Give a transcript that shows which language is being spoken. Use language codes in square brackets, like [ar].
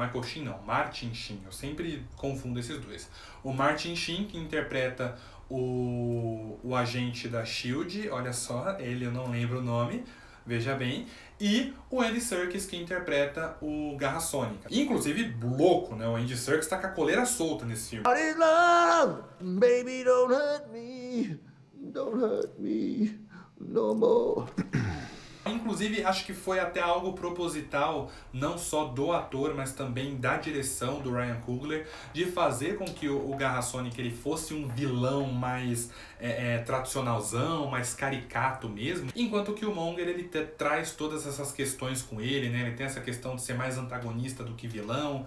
[pt] Michael Sheen, não, Martin Sheen, eu sempre confundo esses dois. O Martin Sheen, que interpreta o agente da SHIELD, olha só, ele, eu não lembro o nome, veja bem, e o Andy Serkis, que interpreta o Garra Sônica. Inclusive, louco, né, o Andy Serkis tá com a coleira solta nesse filme. [en] What is love? Baby, don't hurt me, don't hurt me, no more. [pt] Inclusive, acho que foi até algo proposital, não só do ator, mas também da direção do Ryan Coogler, de fazer com que o Garra Sônica ele fosse um vilão mais tradicionalzão, mais caricato mesmo. Enquanto que o Killmonger, ele traz todas essas questões com ele, né? Ele tem essa questão de ser mais antagonista do que vilão.